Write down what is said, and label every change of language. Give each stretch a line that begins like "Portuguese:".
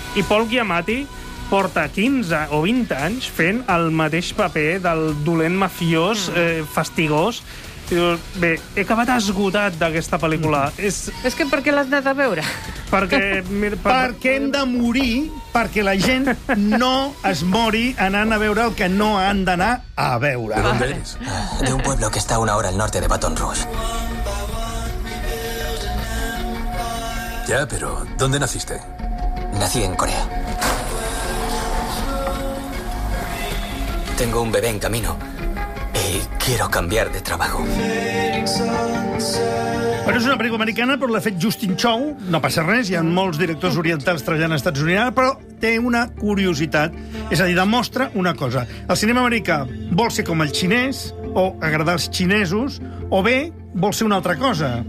Catalan: I Paul Giamatti porta 15 o 20 anys fent el mateix paper del dolent mafiós, fastigós. Bé, he acabat esgotat d'aquesta pel·lícula. És que per què l'has anat a veure? Perquè hem de morir, perquè la gent no es mori anant a veure el que no han d'anar a veure.
Spanish: De un pueblo que está a una hora al norte de Baton Rouge. Ya, pero ¿dónde naciste? Nací en Corea. Tengo un bebé en camino y quiero cambiar de trabajo.
Catalan: Bueno, és una pel·lícula americana, però l'ha fet Justin Chow. No passa res, hi ha molts directors orientals treballant als Estats Units, però té una curiositat. És a dir, demostra una cosa. El cinema americà vol ser com el xinès, o agradar als xinesos, o bé vol ser una altra cosa.